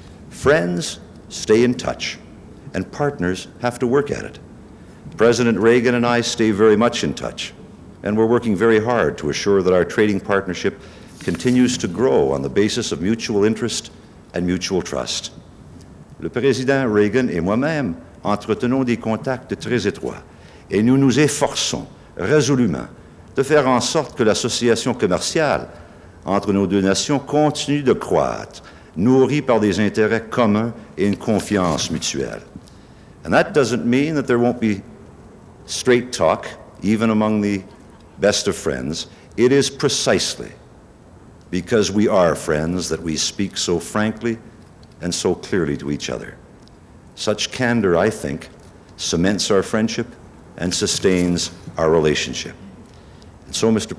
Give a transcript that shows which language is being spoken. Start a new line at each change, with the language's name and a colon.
English: Friends stay in touch, and partners have to work at it. President Reagan and I stay very much in touch, and we're working very hard to assure that our trading partnership continues to grow on the basis of mutual interest and mutual trust.
French: Le président Reagan et moi-même entretenons des contacts très étroits, et nous nous efforçons résolument de faire en sorte que l'association commerciale entre nos deux nations continue de croître, nourrie par des intérêts communs et une confiance mutuelle. And that doesn't mean that there won't be
English: straight talk, even among the best of friends, it is precisely because we are friends that we speak so frankly and so clearly to each other. Such candor, I think, cements our friendship and sustains our relationship. And so, Mr.